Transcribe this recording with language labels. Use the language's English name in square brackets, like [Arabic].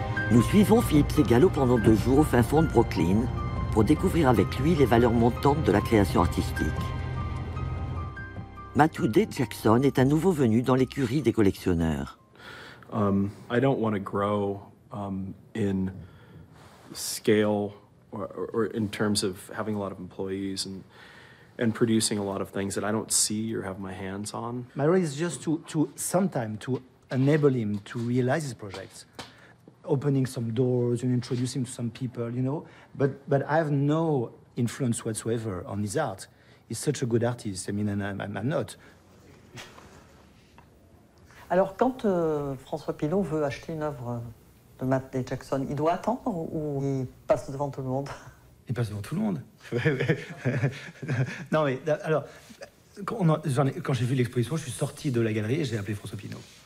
[French] Nous suivons Philippe Segalo pendant 2 jours au fin fond de Brooklyn, pour découvrir avec lui les valeurs montantes de la création artistique. Matthew D. Jackson est un nouveau venu dans l'écurie des collectionneurs. [English] I don't want to grow in scale or in terms of having a lot of employees and and producing a lot of things that I don't see or have my hands on. My role is just to sometime to enable him to realize his projects, opening some doors and introducing him to some people, you know. But I have no influence whatsoever on his art. He's such a good artist. I mean, and I'm not. [French] Alors, quand François Pinault veut acheter une œuvre de Matt D. Jackson, il doit attendre ou il passe devant tout le monde? Il passe devant tout le monde. Non, mais alors, quand j'ai vu l'exposition, je suis sorti de la galerie et j'ai appelé François Pinault.